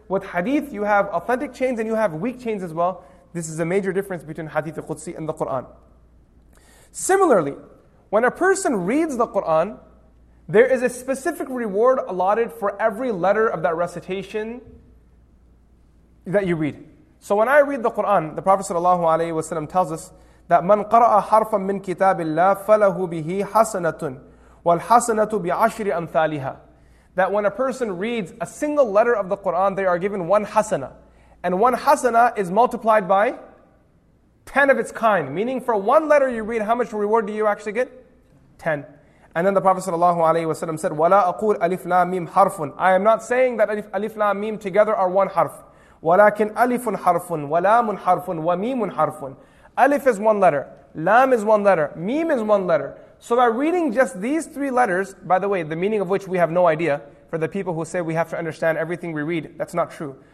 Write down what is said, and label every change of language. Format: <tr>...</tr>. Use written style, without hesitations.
<en>with hadith, you have authentic chains and you have weak chains as well. This is a major difference between hadith al-Qudsi and the Qur'an. Similarly, when a person reads the Qur'an, there is a specific reward allotted for every letter of that recitation that you read. So when I read the Qur'an, the Prophet ﷺ tells us that</en> <ar>مَنْ قَرَأَ حَرْفًا مِّنْ كِتَابِ اللَّهِ فَلَهُ بِهِ حَسَنَةٌ وَالْحَسَنَةُ بِعَشْرِ أَمْثَالِهَا.</ar> <en>That when a person reads a single letter of the Qur'an, they are given one hasana. And one hasana is multiplied by 10 of its kind. Meaning for one letter you read, how much reward do you actually get? 10. And then the Prophet ﷺ said,</en> <ar>وَلَا أَقُولْ أَلِفْ لَا مِيمْ حَرْفٌ.</ar> <en>I am not saying that</en> <ar>أَلِفْ لَا مِيمْ</ar> <en>together are one harf.</en> <ar>وَلَكِنْ أَلِفٌ حَرْفٌ وَلَامٌ حَرْفٌ وَمِيمٌ حَرْفٌ.</ar> <en>Alif is one letter, Lam is one letter, Mim is one letter. So by reading just these three letters, by the way, the meaning of which we have no idea, for the people who say we have to understand everything we read, that's not true.</en>